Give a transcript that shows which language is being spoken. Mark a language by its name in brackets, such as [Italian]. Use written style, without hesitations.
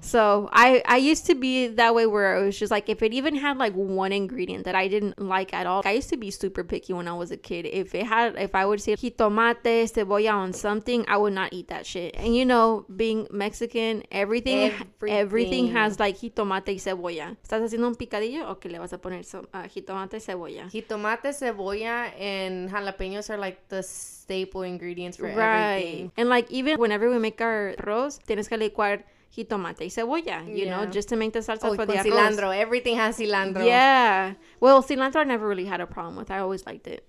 [English] So I used to be that way, where it was just like, if it even had like one ingredient that I didn't like at all, like, I used to be super picky when I was a kid. If it had, if I would say jitomate, cebolla on something, I would not eat that shit. And you know, being Mexican, everything has like [Spanish] jitomate y cebolla. ¿Estás haciendo un picadillo o que le vas a poner jitomate y cebolla? [English] Jitomate, cebolla, and jalapenos are like the staple ingredients for everything. And like, even whenever we make our arroz, [Spanish] tienes que licuar jitomate y cebolla, [English] you know, just to make the salsa for the arroz. Cilantro, everything has cilantro. Yeah. Well, cilantro I never really had a problem with. I always liked it.